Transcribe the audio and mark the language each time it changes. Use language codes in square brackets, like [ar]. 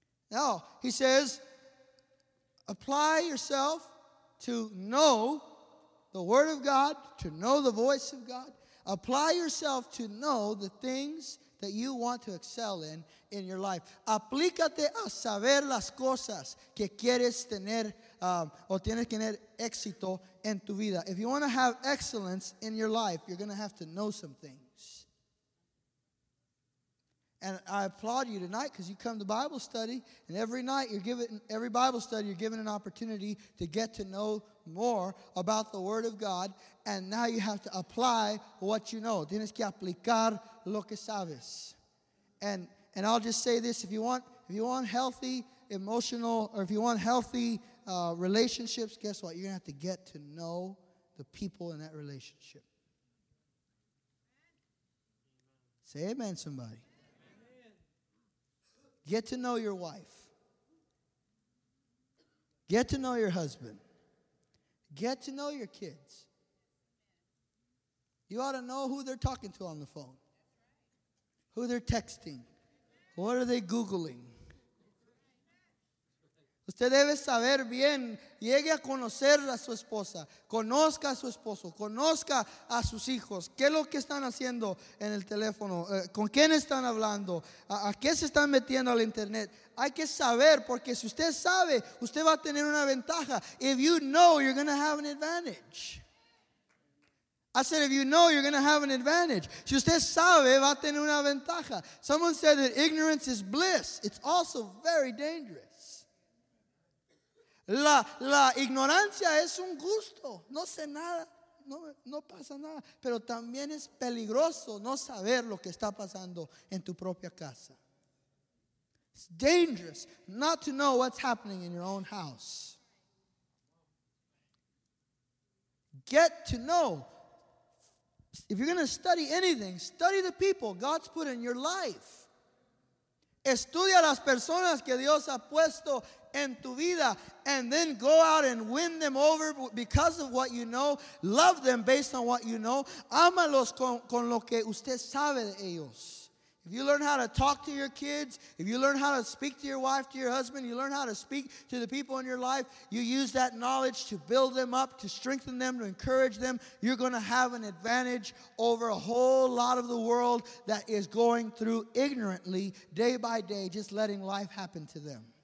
[en] Now, he says, apply yourself to know the Word of God, to know the voice of God. Apply yourself to know the things that you want to excel in your life. [es] Aplícate a saber las cosas que quieres tener o tienes que tener éxito en tu vida. [en] If you want to have excellence in your life, you're going to have to know some things. And I applaud you tonight because you come to Bible study, and every night you're given, every Bible study, you're given an opportunity to get to know more about the Word of God, and now you have to apply what you know. [es] Tienes que aplicar lo que sabes. [en] And I'll just say this, if you want healthy emotional, or if you want healthy relationships, guess what? You're going to have to get to know the people in that relationship. Say amen, somebody. Amen. Get to know your wife. Get to know your husband. Get to know your kids. You ought to know who they're talking to on the phone, who they're texting, what are they Googling. [es] Usted debe saber bien, llegue a conocer a su esposa, conozca a su esposo, conozca a sus hijos, qué es lo que están haciendo en el teléfono, con quién están hablando, a qué se están metiendo al internet. Hay que saber, porque si usted sabe, usted va a tener una ventaja. [en] If you know, you're going to have an advantage. I said, if you know, you're going to have an advantage. [es] Si usted sabe, va a tener una ventaja. [en] Someone said that ignorance is bliss. It's also very dangerous. [es] La ignorancia es un gusto. No sé nada, no pasa nada. Pero también es peligroso no saber lo que está pasando en tu propia casa. [en] It's dangerous not to know what's happening in your own house. Get to know. If you're going to study anything, study the people God's put in your life. [es] Estudia las personas que Dios ha puesto en tu vida, [en] and then go out and win them over because of what you know. Love them based on what you know. [es] Ámalos con lo que usted sabe de ellos. [en] If you learn how to talk to your kids, if you learn how to speak to your wife, to your husband, you learn how to speak to the people in your life, you use that knowledge to build them up, to strengthen them, to encourage them, you're going to have an advantage over a whole lot of the world that is going through ignorantly, day by day, just letting life happen to them.